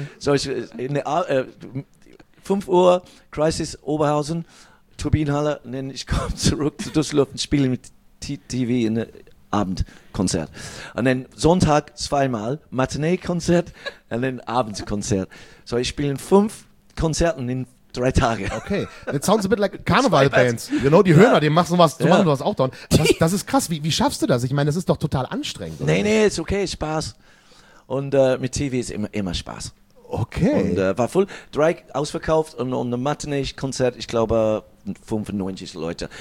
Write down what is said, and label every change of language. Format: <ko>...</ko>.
<de>So, ich in der 5 Uhr, Crisis Oberhausen, Turbinenhalle, und dann ich komme zurück zu Düsseldorf und spiele mit TV in der Abendkonzert. Und dann Sonntag 2-mal, Matinee-Konzert und dann Abendkonzert. So, ich spiele 5 Konzerten in 3 Tage.</de> <en>Okay, it sounds a bit like Karneval-Bands. You know,</en> <de>die Höhner, die machen sowas, machen sowas auch dann. Das ist krass, wie schaffst du das? Ich meine, das ist doch total anstrengend. Oder? Nee, ist okay, Spaß. Und mit TV ist immer Spaß. Okay. Und war voll. 3 ausverkauft und ein Matinee-Konzert, ich glaube, 95 Leute.</de>